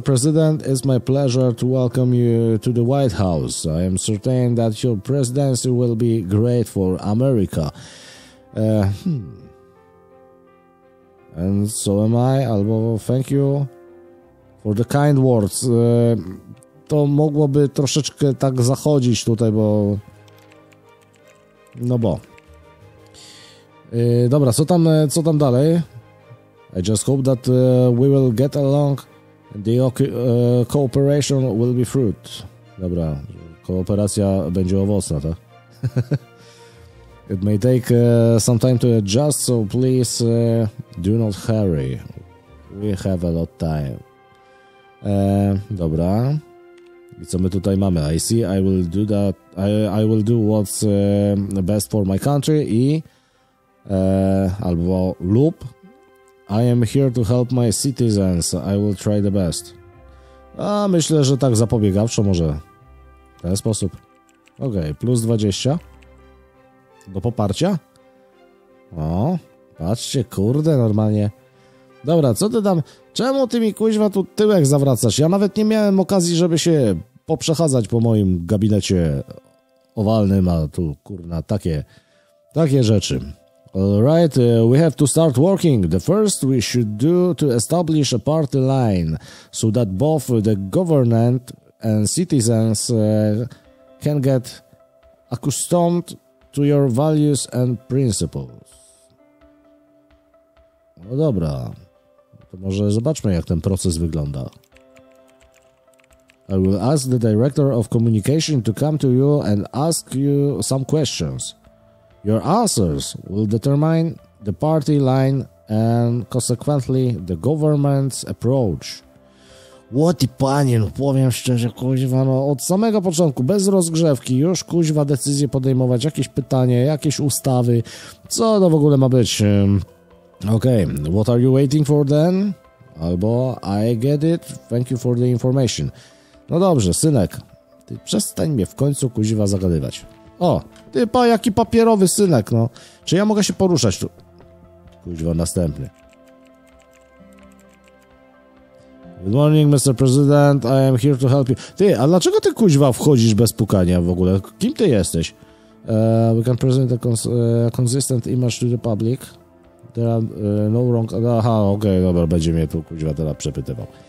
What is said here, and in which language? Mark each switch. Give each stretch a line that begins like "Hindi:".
English: President, it's my pleasure to welcome you to the White House. I am certain that your presidency will be great for America. And so am I, albo thank you for the kind words.
Polish: To mogłoby troszeczkę tak zachodzić tutaj, bo... No bo. Dobra, co tam dalej?
English: I just hope that we will get along. The cooperation will be fruit.
Polish: Dobra, kooperacja będzie owocna, tak?
English: It may take some time to adjust, so please do not hurry. We have a lot time.
Polish: Dobra. I co my tutaj mamy?
English: I see, I will do that. I will do what's best for my country
Polish: i albo lub
English: I am here to help my citizens. I will try the best.
Polish: A myślę, że tak zapobiegawczo może. W ten sposób. Okej, okay, plus 20. Do poparcia. O, patrzcie, kurde, normalnie. Dobra, co ty tam? Czemu ty mi, kuźwa, tu tyłek zawracasz? Ja nawet nie miałem okazji, żeby się poprzechadzać po moim gabinecie owalnym, a tu, kurna, takie rzeczy.
English: All right, we have to start working. The first we should do to establish a party line so that both the government and citizens can get accustomed to your values and principles.
Polish: No dobra. To może zobaczmy, jak ten proces wygląda.
English: I will ask the director of communication to come to you and ask you some questions. Your answers will determine the party line and consequently the government's approach. What the
Polish: panie, no powiem szczerze, kuźwa, no od samego początku, bez rozgrzewki, już kuźwa decyzję podejmować, jakieś pytanie, jakieś ustawy, co to w ogóle ma być?
English: Okay, what are you waiting for then? Albo I get it, thank you for the information.
Polish: No dobrze, synek, ty przestań mnie w końcu kuźwa zagadywać. O, typa, jaki papierowy synek, no. Czy ja mogę się poruszać tu? Kuźwa, następny.
English: Good morning, Mr. President, I am here to help you.
Polish: Ty, a dlaczego ty, kuźwa, wchodzisz bez pukania w ogóle? Kim ty jesteś?
English: We can present a consistent image to the public. There are no wrong...
Polish: Aha, okej, okay, dobra, będzie mnie tu, kuźwa, teraz przepytywał.